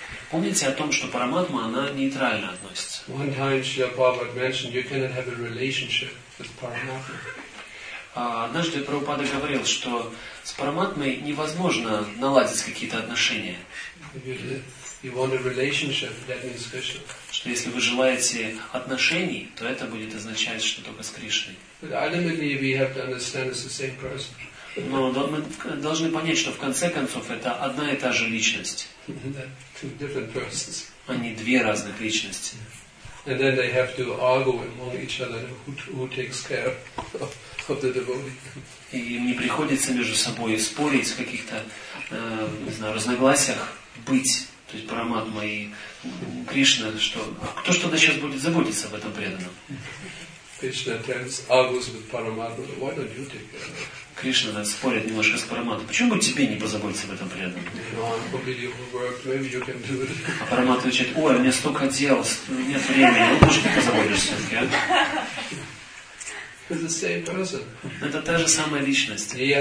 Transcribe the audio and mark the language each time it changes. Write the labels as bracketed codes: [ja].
[ru] Помните о том, что Параматма, она нейтрально относится. [en] One time Srila Prabhupada mentioned you cannot have a relationship with Paramatma. [ru] Однажды Прабхупада говорил, что с Параматмой невозможно наладить какие-то отношения. [en] You want a relationship, that means Krishna. [ru] Что если вы желаете отношений, то это будет означать, что только с Кришной. [en] But ultimately we have to understand it's the same person. [ru] Но мы должны понять, что в конце концов это одна и та же личность. [en] Two different persons. [ru] Они две разных личности. [en] And then they have to argue among each other who takes care of the devotee. [ru] И им не приходится между собой спорить в каких-то, не знаю, разногласиях быть То есть параматма и Кришна, что кто что-то сейчас будет заботиться об этом преданном? [en] Krishna tells Agus with Paramatma, why don't you take care of it? [ru] Кришна спорит немножко с Параматом. Почему бы тебе не позаботиться об этом преданном? А Парамат отвечает, ой, мне столько дел, нет времени, лучше ты позаботишься. Это та же самая личность.